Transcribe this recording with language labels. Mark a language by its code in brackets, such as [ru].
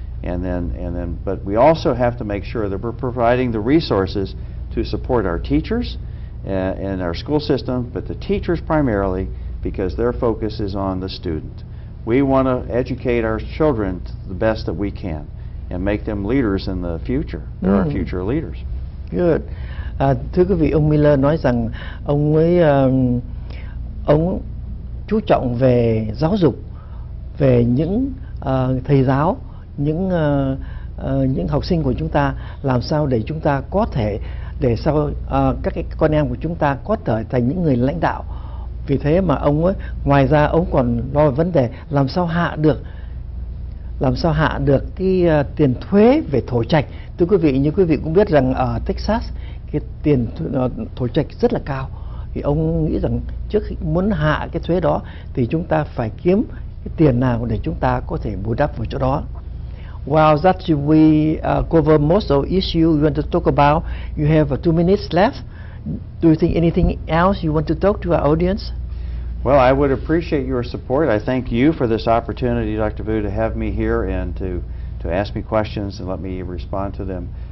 [en] And then, but we also have to make sure that we're providing the resources to support our teachers and our school system, but the teachers primarily, because their focus is on the student. We want to educate our children the best that we can and make them leaders in the future. They're our future leaders. Good. [vi] Thưa quý vị, ông Miller nói rằng ông chú trọng về giáo dục, về những thầy giáo, những học sinh của chúng ta, làm sao để chúng ta có thể, để sau các cái con em của chúng ta có thể thành những người lãnh đạo. Vì thế mà ông ấy, ngoài ra ông còn lo vấn đề làm sao hạ được cái tiền thuế về thổ trạch. Thưa quý vị, như quý vị cũng biết rằng ở Texas cái tiền thổ trạch rất là cao. Thì ông nghĩ rằng trước khi muốn hạ cái thuế đó thì chúng ta phải kiếm cái tiền nào để chúng ta có thể bù đắp vào chỗ đó. [en] Well, that we cover most of the issue you want to talk about. You have 2 minutes left. Do you think anything else you want to talk to our audience? Well, I would appreciate your support. I thank you for this opportunity, Dr. Vu, to have me here and to ask me questions and let me respond to them.